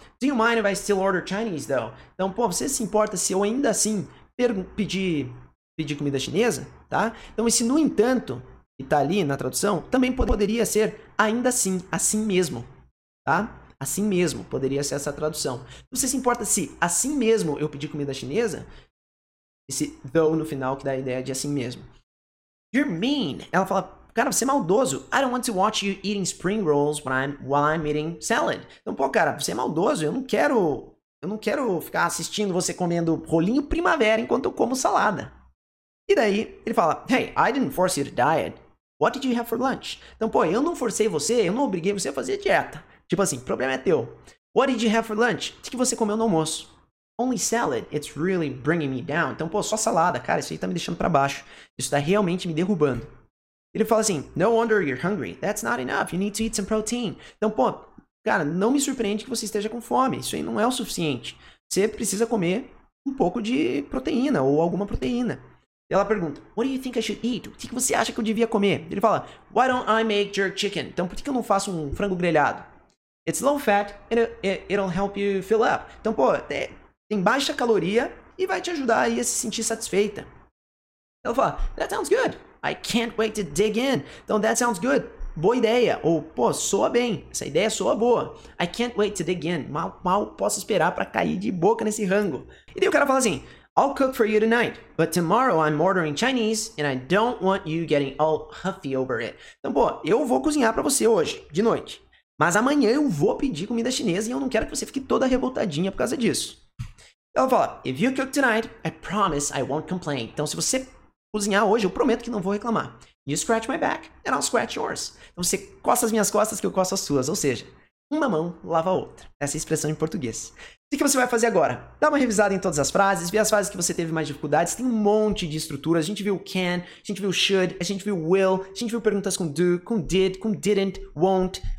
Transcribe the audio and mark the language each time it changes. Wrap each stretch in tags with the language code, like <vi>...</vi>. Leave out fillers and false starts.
<en>Do you mind if I still order Chinese, though?</en> <pt>Então, pô, você se importa se eu ainda assim pedir comida chinesa, tá? Então, esse no entanto, que tá ali na tradução, também poderia ser ainda assim, assim mesmo, tá? Assim mesmo, poderia ser essa tradução. Então, você se importa se assim mesmo eu pedir comida chinesa? Esse though no final que dá a ideia de assim mesmo.</pt> <en>You're mean.</en> <pt>Ela fala... Cara, você é maldoso.</pt> <en>I don't want to watch you eating spring rolls while I'm eating salad.</en> <pt>Então, pô, cara, você é maldoso. Eu não quero ficar assistindo você comendo rolinho primavera enquanto eu como salada. E daí, ele fala,</pt> <en>hey, I didn't force you to diet. What did you have for lunch?</en> <pt>Então, pô, eu não forcei você, eu não obriguei você a fazer dieta. Tipo assim, problema é teu.</pt> <en>What did you have for lunch?</en> <pt>O que você comeu no almoço?</pt> <en>Only salad. It's really bringing me down.</en> <pt>Então, pô, só salada, cara. Isso aí tá me deixando pra baixo. Isso tá realmente me derrubando. Ele fala assim,</pt> <en>no wonder you're hungry. That's not enough. You need to eat some protein.</en> <pt>Então, pô, cara, não me surpreende que você esteja com fome. Isso aí não é o suficiente. Você precisa comer um pouco de proteína ou alguma proteína. Ela pergunta,</pt> <en>what do you think I should eat?</en> <pt>O que você acha que eu devia comer? Ele fala,</pt> <en>why don't I make jerk chicken?</en> <pt>Então, por que eu não faço um frango grelhado?</pt> <en>It's low fat and it'll help you fill up.</en> <pt>Então, pô, tem baixa caloria e vai te ajudar aí a se sentir satisfeita. Ela fala,</pt> <en>that sounds good. I can't wait to dig in.</en> <pt>Então,</pt> <en>that sounds good.</en> <pt>Boa ideia. Ou, pô, soa bem. Essa ideia soa boa.</pt> <en>I can't wait to dig in.</en> <pt>Mal posso esperar pra cair de boca nesse rango. E daí o cara fala assim,</pt> <en>I'll cook for you tonight, but tomorrow I'm ordering Chinese and I don't want you getting all huffy over it.</en> <pt>Então, pô, eu vou cozinhar pra você hoje, de noite. Mas amanhã eu vou pedir comida chinesa e eu não quero que você fique toda revoltadinha por causa disso. Ela fala,</pt> <en>if you cook tonight, I promise I won't complain.</en> <pt>Então, se você cozinhar hoje, eu prometo que não vou reclamar.</pt> <en>You scratch my back and I'll scratch yours.</en> <pt>Então, você coça as minhas costas que eu coço as suas, ou seja, uma mão lava a outra. Essa é a expressão em português. O que você vai fazer agora? Dá uma revisada em todas as frases, vê as frases que você teve mais dificuldades. Tem um monte de estruturas. A gente viu can, a gente viu should, a gente viu will, a gente viu perguntas com do, com did, com didn't, won't.</pt>